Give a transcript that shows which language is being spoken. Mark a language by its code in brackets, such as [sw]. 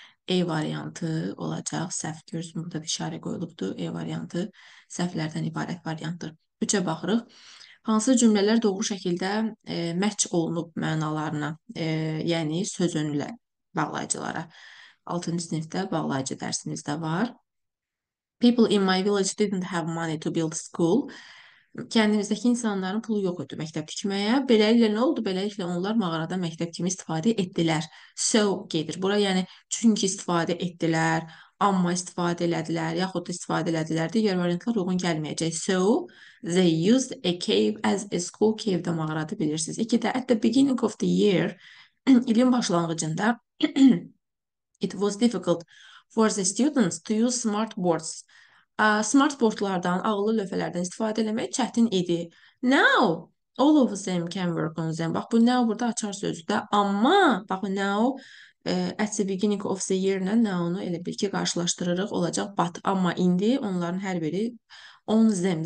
[az] E variantı olacaq. Səhv görürsün, burada bir işarə qoyulubdur. E variantı səhvlərdən ibarət variantdır. 3-ə baxırıq. Hansı cümlələr doğru şəkildə məhç olunub mənalarına, yəni sözönülə bağlayıcılara. 6-cı sinifdə bağlayıcı dərsimiz də var. [en] People in my village didn't have money to build school. [az] Kəndimizdəki insanların pulu yox idi məktəb tikməyə. Beləliklə nə oldu? Beləliklə onlar mağarada məktəb kimi istifadə etdilər. So gedir. Bura yəni çünki istifadə etdilər, amma istifadə elədilər, yaxud da istifadə elədilər, digər variantlar uyğun gəlməyəcək. [en] So, they used a cave as a school [az] cave-də mağaradı bilirsiniz. [en] İkidə, at the beginning of the year, [az] ilin başlanğıcında, [en] it was difficult for the students to use smart boards. [az] smartboardlardan, ağlı lövhələrdən istifadə eləmək çətin idi. [en] Now, all of them can work on them. [az] Bax, bu now burada açar sözüdür. Amma, bax, now [en] at the beginning of the year [az] ilə now-nu elə bil ki, qarşılaşdırırıq, olacaq but. Amma indi onların hər biri on them.